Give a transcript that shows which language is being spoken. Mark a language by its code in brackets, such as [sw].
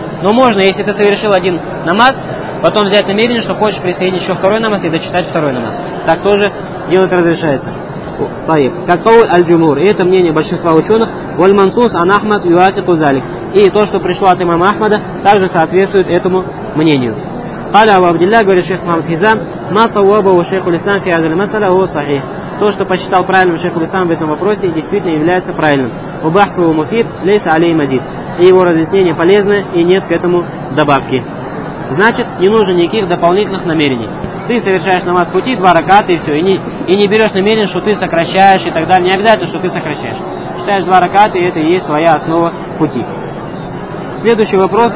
[ru] Но можно, если ты совершил один намаз, потом взять намерение, что хочешь присоединить еще второй намаз и дочитать второй намаз. Так тоже делать разрешается. [ar] طيب كقول الجمهور [ru] и это мнение большинства ученых [ar] والمنصوص عن احمد يوافق ذلك [ru] и то что пришло от имама Ахмада также соответствует этому мнению. [ar] قال ابو عبد الله [ru] говорит шейх Мухаммад Хизам [ar] ما صوابه شيخ الاسلام في هذه المساله هو صحيح. [ru] То что посчитал правильным шейх الاسلام в этом вопросе действительно является правильным. [ar] وبحثه مفيد ليس عليه مزيد. [ru] И его разъяснение полезно и нет к этому добавки. Значит, не нужно никаких дополнительных намерений. Ты совершаешь намаз пути, 2 раката и все. И не берешь намерение, что ты сокращаешь и так далее. Не обязательно, что ты сокращаешь. Считаешь 2 раката, и это и есть твоя основа пути. Следующий вопрос.